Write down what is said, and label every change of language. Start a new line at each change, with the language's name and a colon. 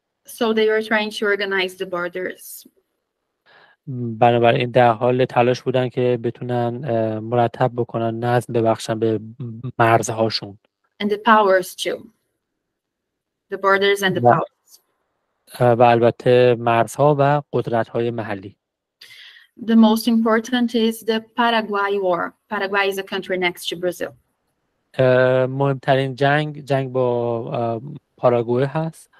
English: So they were trying to organize the borders.
Persian: بنابراین در حال تلاش بودن که بتونن مرتب بکنن، نظم ببخشن به مرزهاشون.
English: And the powers too. The borders and the powers.
Persian: و البته مرزها و قدرت‌های محلی.
English: The most important is the Paraguay War. Paraguay is a country next to Brazil.
Persian: مهمترین جنگ، جنگ با پاراگوئه هست.